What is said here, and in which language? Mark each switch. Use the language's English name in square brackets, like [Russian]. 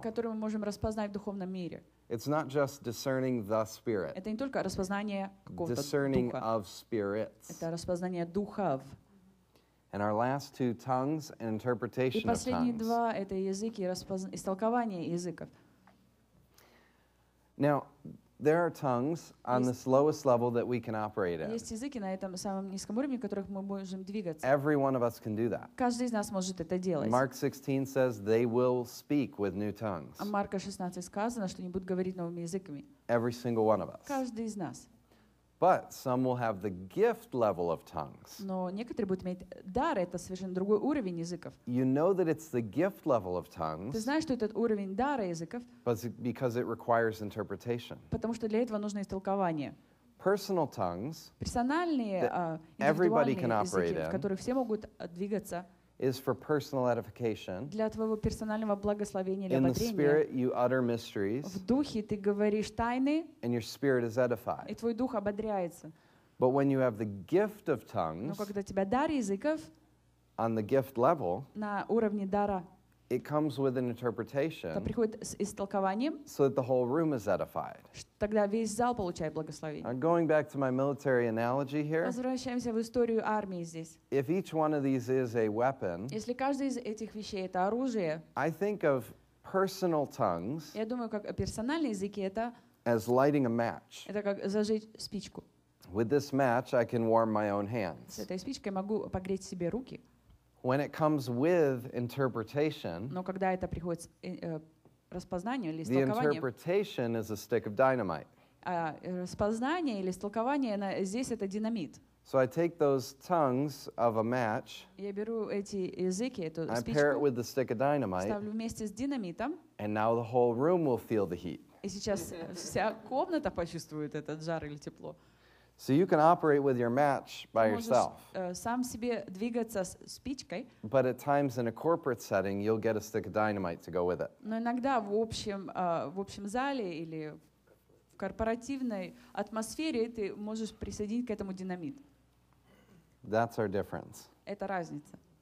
[Russian] Которые мы можем распознать в духовном мире. [English] It's not just discerning the spirit. [Russian] Это не только распознание какого-то духа. [English] Discerning of spirits. [Russian] Это распознание духов. [English] And our last two, tongues and interpretation of tongues. [Russian] И последние два — это язык и истолкование языков. [English] Now, there are tongues on this lowest level that we can operate in. [Russian] Есть языки на этом самом низком уровне, в которых мы можем двигаться. [English] Every one of us can do that. [Russian] Каждый из нас может это делать. [English] Mark 16 says they will speak with new tongues. [Russian] А Марка 16 сказано, что они будут говорить новыми языками. [English] Every single one of us. [Russian] Каждый из нас. [English] But some will have the gift level of tongues. [Russian] Но некоторые будут иметь дар, это совершенно другой уровень языков. [English] You know that it's the gift level of tongues. [Russian] Ты знаешь, что этот уровень дара языков. [English] But because it requires interpretation. [Russian] Потому что для этого нужно истолкование. [English] Personal tongues. [Russian] Персональные, [English] everybody can [Russian] языки, [English] operate in. [Russian] Которые все могут двигаться. [English] Is for personal edification. [Russian] Для твоего персонального благословения, для ободрения. [English] In the spirit you utter mysteries. [Russian] В духе ты говоришь тайны. [English] And your spirit is edified. [Russian] И твой дух ободряется. [English] But when you have the gift of tongues. [Russian] Но когда у тебя дар языков. [English] On the gift level. [Russian] На уровне дара. [English] It comes with an interpretation. [Russian] Это приходит с истолкованием. [English] So that the whole room is edified. [Russian] Тогда весь зал получает благословение. [English] I'm going back to my military analogy here. [Russian] Возвращаемся в историю армии здесь. [English] If each one of these is a weapon. [Russian] Если каждый из этих вещей это оружие. [English] I think of personal tongues. [Russian] Я думаю, как персональные языки это. [English] As lighting a match. [Russian] Это как зажечь спичку. [English] With this match, I can warm my own hands. [Russian] С этой спичкой могу погреть себе руки. [English] When it comes with interpretation, [Russian] но когда это приходит распознание или истолкование, [English] the interpretation is a stick of dynamite. [Russian] Распознание или истолкование здесь это динамит. [English] So I take those tongues of a match. [Russian] Я беру эти языки, эту спичку. [English] I pair it with the stick of dynamite. [Russian] Ставлю вместе с динамитом. [English] And now the whole room will feel the heat. [Russian] И сейчас вся комната почувствует этот жар или тепло. [English] So you can operate with your match by yourself. [Russian] Сам себе двигаться с спичкой. [English] But at times in a corporate setting, you'll get a stick of dynamite to go with it. [Russian] Но иногда в общем зале или в корпоративной атмосфере ты можешь присоединить к этому динамит. [English] That's our difference. [Russian] Это разница.